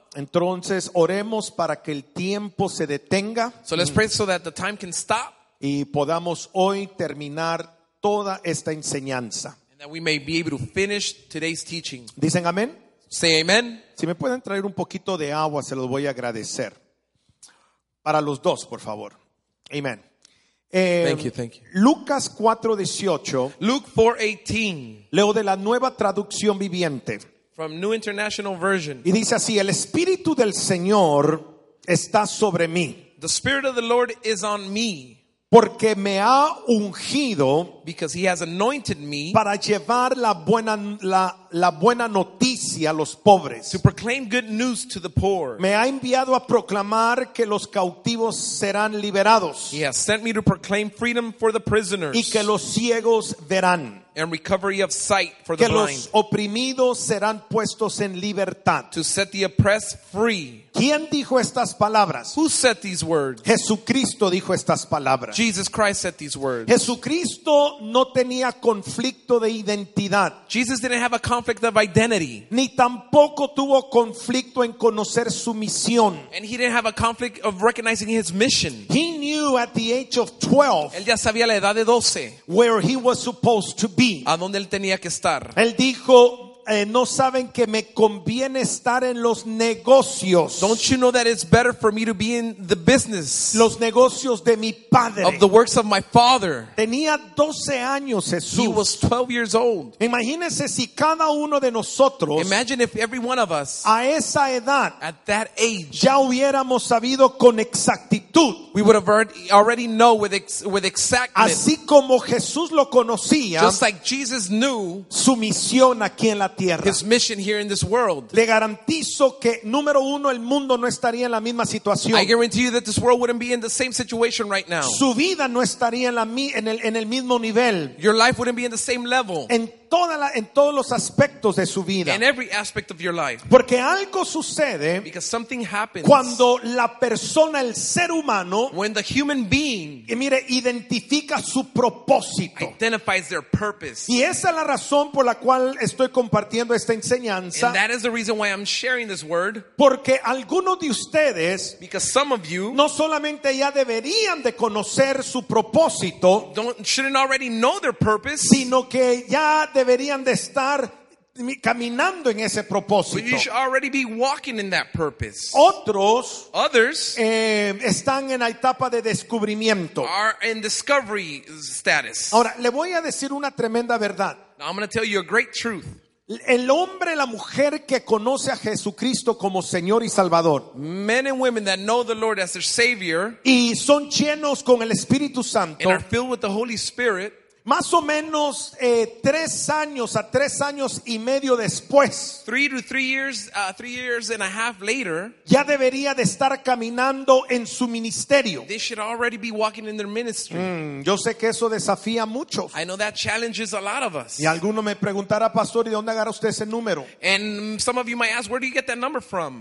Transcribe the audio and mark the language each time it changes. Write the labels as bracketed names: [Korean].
[Spanish] Entonces oremos para que el tiempo se detenga. [English] So let's pray so that the time can stop. [Spanish] Y podamos hoy terminar toda esta enseñanza. [English] And that we may be able to finish today's teaching. [Spanish] Dicen amén. [English] Say amen. [Spanish] Si me pueden traer un poquito de agua, se los voy a agradecer. Para los dos, por favor. Amen. [English] Thank you. [Spanish] Lucas 4:18. [English] Luke 4:18. [Spanish] Leo de la Nueva Traducción Viviente. [English] From New International Version. [Spanish] Y dice así, el Espíritu del Señor está sobre mí. [English] The Spirit of the Lord is on me. [Spanish] Porque me ha ungido. [English] Because he has anointed me. [Spanish] Para llevar la buena noticia a los pobres. [English] To proclaim good news to the poor. [Spanish] Me ha enviado a proclamar que los cautivos serán liberados. [English] He has sent me to proclaim freedom for the prisoners. [Spanish] Y que los ciegos verán. [English] And recovery of sight for [Spanish] que [English] the blind. [Spanish] Que los oprimidos serán puestos en libertad. [English] To set the oppressed free. [Spanish] ¿Quién dijo estas palabras? [English] Who said these words? [Spanish] Jesucristo dijo estas palabras. [English] Jesus Christ said these words. [Spanish] Jesucristo no tenía conflicto de identidad. [English] Jesus didn't have a conflict of identity. [Spanish] Ni tampoco tuvo conflicto en conocer su misión. [English] And he didn't have a conflict of recognizing his mission. He knew at the age of 12. [Spanish] Él ya sabía la edad de 12. [English] Where he was supposed to be. [Spanish] A dónde él tenía que estar. Él dijo, no saben que me conviene estar en los negocios. [English] Don't you know that it's better for me to be in the business? [Spanish] Los negocios de mi padre. [English] Of the works of my father. [Spanish] Tenía 12 años Jesús. [English] He was 12 years old. [Spanish] Imagínense si cada uno de nosotros. [English] Imagine if every one of us. [Spanish] A esa edad. [English] At that age. [Spanish] Ya hubiéramos sabido con exactitud. [English] We would have already know with exactness. [Spanish] Así como Jesús lo conocía. [English] Just like Jesus knew. [Spanish] Su misión aquí en la tierra. [English] His mission here in this world. [Spanish] Le garantizo que número uno el mundo no estaría en la misma situación. [English] I guarantee you that this world wouldn't be in the same situation right now. [Spanish] Su vida no estaría en el mismo nivel. [English] Your life wouldn't be in the same level. [Spanish] En todos los aspectos de su vida. [English] In every aspect of your life. [Spanish] Porque algo sucede. [English] Because something happens. [Spanish] Cuando la persona, el ser humano. [English] When the human being. [Spanish] Y mire, identifica su propósito. [English] Identifies their purpose. [Spanish] Y esa es la razón por la cual estoy compartiendo esta enseñanza. [English] And that is the reason why I'm sharing this word. [Spanish] Porque algunos de ustedes. [English] Because some of you. [Spanish] No solamente ya deberían de conocer su propósito. [English] Shouldn't already know their purpose. [Spanish] Sino que ya deberían de estar caminando en ese propósito. [English] You should already be walking in that purpose. [Spanish] Otros, [English] others, [Spanish] están en la etapa de descubrimiento. [English] Are in discovery status. [Spanish] Ahora, le voy a decir una tremenda verdad. [English] Now, I'm going to tell you a great truth. [Spanish] El hombre, la mujer que conoce a Jesucristo como Señor y Salvador. [English] Men and women that know the Lord as their Savior. [Spanish] Y son llenos con el Espíritu Santo. [English] And are filled with the Holy Spirit. [Spanish] Más o menos tres años a tres años y medio después. [English] Three years and a half later. [Spanish] Ya debería de estar caminando en su ministerio. [English] They should already be walking in their ministry. [Spanish] Yo sé que eso desafía a muchos. [English] I know that challenges a lot of us. [Spanish] Y alguno me preguntará, pastor, ¿y dónde agarra usted ese número? [English] And some of you might ask, where do you get that number from?